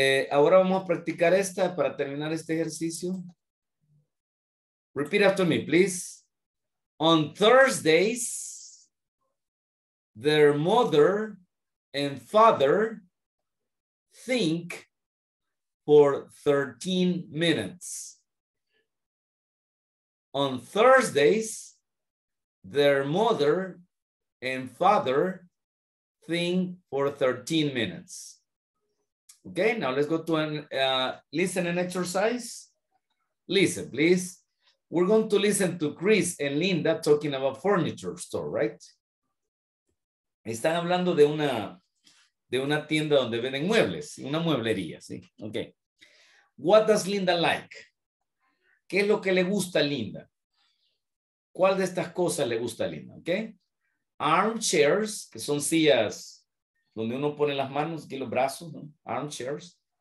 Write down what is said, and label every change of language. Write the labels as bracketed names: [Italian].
[Spanish] Ahora vamos a practicar esta para terminar este ejercicio. [English] Repeat after me, please. On Thursdays, their mother and father think for 13 minutes. On Thursdays, their mother and father think for 13 minutes. Okay, now let's go to an listening exercise. Listen, please. We're going to listen to Chris and Linda talking about furniture store, right? [Spanish] Están hablando de una tienda donde venden muebles, una mueblería, ¿sí? Okay. [English] What does Linda like? [Spanish] ¿Qué es lo que le gusta a Linda? ¿Cuál de estas cosas le gusta a Linda? Okay. Armchairs, que son sillas donde uno pone las manos, aquí los brazos, ¿no? Armchairs.